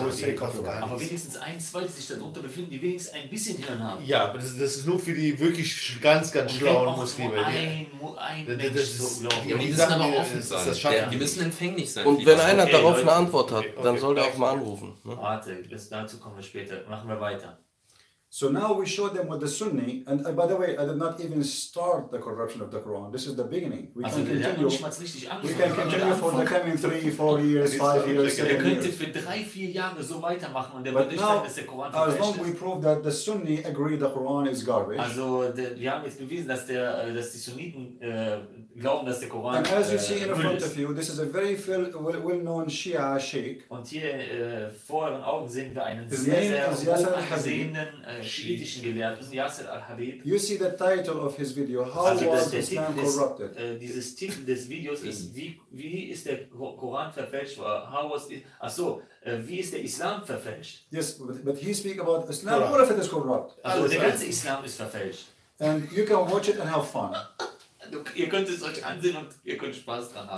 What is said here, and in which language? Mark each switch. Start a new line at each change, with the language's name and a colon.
German: Aber wenigstens ein, zwei, die sich darunter befinden, die wenigstens ein bisschen Hirn haben. Ja, aber das ist nur für die wirklich ganz, ganz schlauen Muslime. Ein Mensch, so glaube ich. Die müssen aber offen sein. Die müssen empfänglich sein. Und wenn einer darauf eine Antwort hat, dann soll er auch mal anrufen. Warte, bis dazu kommen wir später. Machen wir weiter.
English: So now we show them what the Sunni, and by the way, I did not even start the corruption of the Quran. This is the beginning. We also can continue. We can continue for the coming 3, 4 years, 5 years, 7 years.
German: Er könnte für 3, 4 Jahre so weitermachen und er würde nicht sagen, dass der Koran verfälscht ist.
English: As long we prove that the Sunni agree the Quran is garbage.
German: Also wir haben jetzt bewiesen, dass die Sunniten glauben, dass der Koran.
English: And as you see in front of you, this is a very well-known Shia Sheikh.
German: Und hier vor euren Augen sehen wir einen sehr angesehenen schiitischen Gelehrten, Yasser al-Habib.
English: You see the title of his video, how also was the Islam corrupted?
German: Dieses Titel des Videos ist, wie ist der Koran verfälscht? Wie ist der Islam verfälscht?
English: Yes, but he speak about Islam, Quran. Or if it is corrupt.
German: Also der ganze Islam ist verfälscht.
English: And you can watch it and have fun.
German: Ihr könnt es euch ansehen und ihr könnt Spaß dran haben.